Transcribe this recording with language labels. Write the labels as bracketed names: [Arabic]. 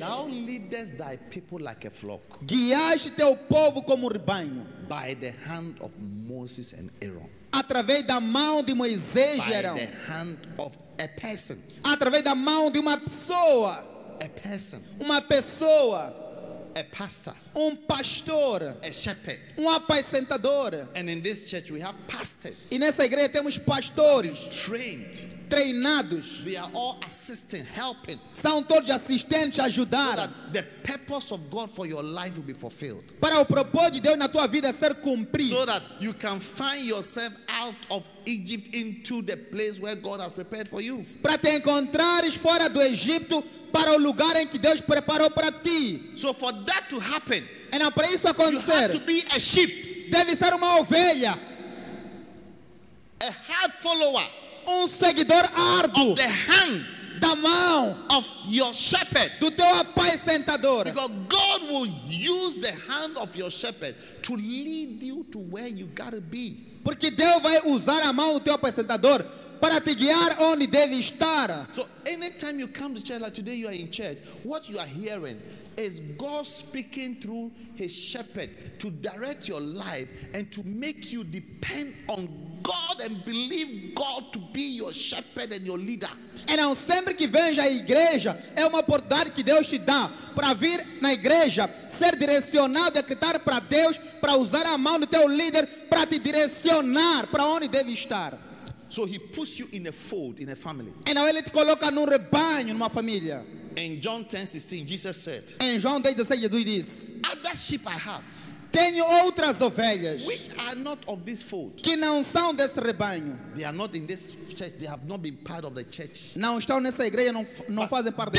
[English] thou leadest thy people like a flock. [Portuguese] Guiaste teu povo como rebanho. [English] By the hand of Moses and Aaron. [Portuguese] Através da mão de Moisés e Arão. [English] By the hand of a person. [Portuguese] Através da mão de uma pessoa. [English] A person. [Portuguese] Uma pessoa. [English] A pastor. [Portuguese] Um pastor. [English] A shepherd. [Portuguese] Um apacentador. [English] And in this church we have pastors. [Portuguese] E nessa igreja temos pastores. [English] Trained. [Portuguese] Treinados. [English] They are all assisting, helping. [Portuguese] São todos assistentes a ajudar. [English] So that the purpose of God for your life will be fulfilled. [Portuguese] Para o propósito de Deus na tua vida ser cumprido. [English] So that you can find yourself out of Egypt into the place where God has prepared for you. [Portuguese] Para te encontrares fora do Egito para o lugar em que Deus preparou para ti. [English] So for that to happen, [Portuguese] and para isso acontecer, [English] you have to be a sheep. [Portuguese] Deve ser uma ovelha. [English] A hard follower. [Portuguese] Um seguidor árduo [English] of the hand, [Portuguese] da mão [English] of your shepherd, [Portuguese] do teu apacentador. [English] Because God will use the hand of your shepherd to lead you to where you gotta be. [Portuguese] Porque Deus vai usar a mão do teu apacentador para te guiar onde deve estar. [English] So anytime you come to church, like today you are in church, what you are hearing is God speaking through His shepherd to direct your life and to make you depend on God and believe God to be your shepherd and your leader. [Portuguese] E não sempre que vem à igreja é uma oportunidade que Deus te dá para vir na igreja, ser direcionado e acreditar para Deus, para usar a mão do teu líder para te direcionar para onde deve estar. [English] So He puts you in a fold, in a family. [Portuguese] E não Ele te coloca num rebanho, numa família. [English] In John 10:16, Jesus said. [Portuguese] Em João 10:16, Jesus diz. [English] Other sheep I have. [Portuguese] Tenho outras ovelhas [English] which are not of this fold. [Portuguese] Que não são deste rebanho. [English] They are not in this church. They have not been part of the church. [Portuguese] Não estão nessa igreja, não fazem parte